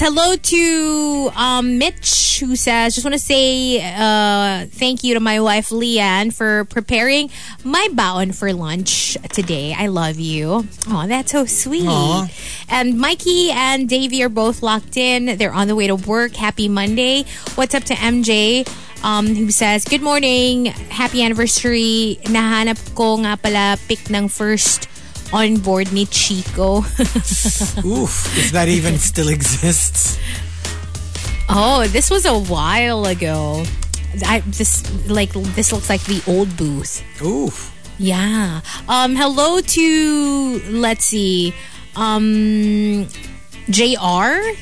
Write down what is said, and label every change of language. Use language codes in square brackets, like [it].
[en] Hello to Mitch, who says, just want to say thank you to my wife, Leanne, for preparing my baon for lunch today. I love you. Oh, that's so sweet. Aww. And Mikey and Davey are both locked in. They're on the way to work. Happy Monday. What's up to MJ, who says, good morning. Happy anniversary. [tl] Nahanap ko nga pala pick ng [en] first on board [tl] ni Chico. [en] Oof, if that even still exists. Oh, this was a while ago. This looks like the old booth. Oof. Yeah. Hello to, let's see, JR.